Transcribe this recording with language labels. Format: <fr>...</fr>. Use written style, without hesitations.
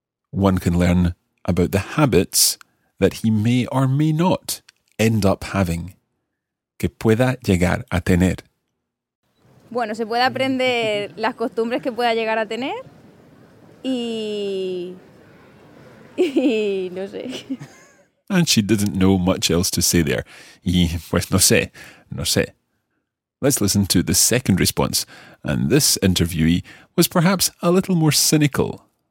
<en>One can learn about the habits that he may or may not end up having.</en> <es>Que pueda llegar a tener. Bueno, se puede aprender las costumbres que pueda llegar a tener y no sé.</es> <en>And she didn't know much else to say there.</en> <es>Y pues no sé, no sé.</es> <en>Let's listen to the second response, and this interviewee was perhaps a little more cynical.</en>